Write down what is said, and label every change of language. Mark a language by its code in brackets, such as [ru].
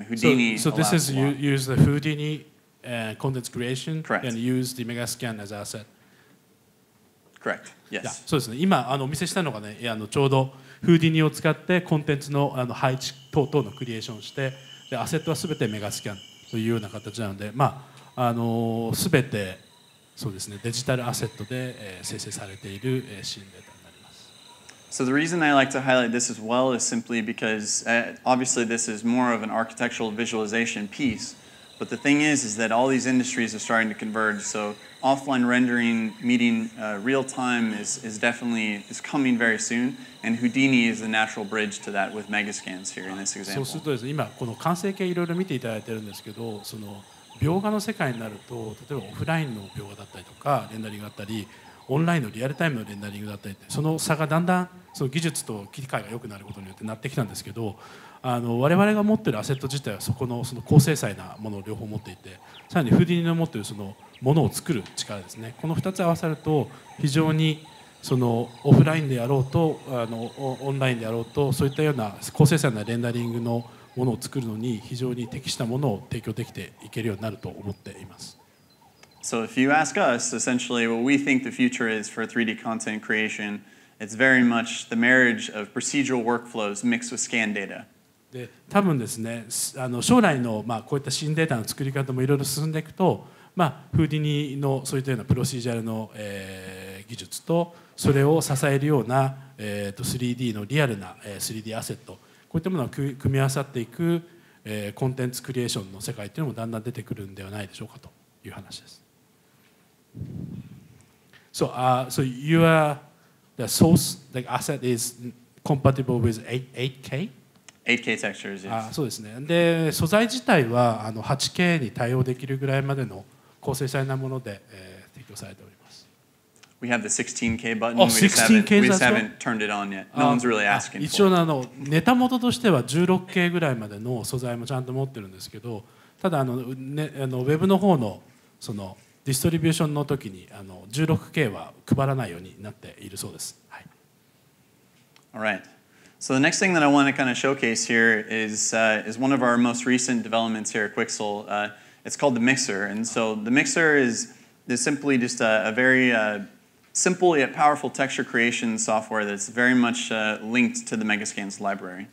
[en] Houdini. So this is use the Houdini content creation. Correct. And use the Megascan as asset. Correct. Yes. Yeah. [ja] そうですね。今あのお見せしたのがね、ちょうど。フーディニーを使ってコンテンツ の配置等々のクリエーションをして、でアセットはすべてメガスキャンというような形なので、まあ、すべてそうですね、デジタルアセットで、生成されている、シーンデータになります。 [en] So the reason I like to highlight this as well is simply because, obviously this is more of an architectural visualization piece, but the thing is that all these industries are starting to converge, so offline rendering meeting real time is definitely coming very soon. And Houdini is the natural bridge to that with Megascans here in this example. [ja] そうするとですね、今この完成形いろいろ見ていただいてるんですけど、その描画の世界になると、例えばオフラインの描画だったりとかレンダリングだったり、オンラインのリアルタイムのレンダリングだったりって、その差がだんだんその技術と切り替えが良くなることによってなってきたんですけど、我々が持っているアセット自体はそこのその高精細なものを両方持っていて、さらに Houdini の持っているそのものを作る力ですね。この2つ合わさると非常にそのオフラインでやろうとオンラインでやろうとそういったような高精細なレンダリングのものを作るのに非常に適したものを提供できていけるようになると思っています。 [en] So if you ask us, essentially what we think the future is for 3D content creation, it's very much the marriage of procedural workflows mixed with scan data. [ja] で、多分ですね、将来の、まあ、こういった新データの作り方もいろいろ進んでいくと、まあ、フーディニーのそういったようなプロシージャルの、技術とそれを支えるような 3D のリアルな 3D アセットこういったものを組み合わさっていくコンテンツクリエーションの世界というのもだんだん出てくるのではないでしょうかという話です。 [en] So, so you are the source, the asset is compatible with 8K? 8K textures, yes. [ja] そうですね。で、素材自体は 8K に対応できるぐらいまでの高精細なもので、提供されております。 [en] We have the 16K button. Oh, 16K we just haven't turned it on yet. No one's really asking for it. [ja] 一応ネタ元としては 16K ぐらいまでの素材もちゃんと持ってるんですけど、ただウェブの方のそのディストリビューションの時に16K は配らないようになっているそうです。はい。 [en] All right. So the next thing that I want to kind of showcase here is one of our most recent developments here at Quixel. It's called the mixer. And so the mixer is simply just a very simple yet powerful texture creation software that's very much linked to the Megascans library.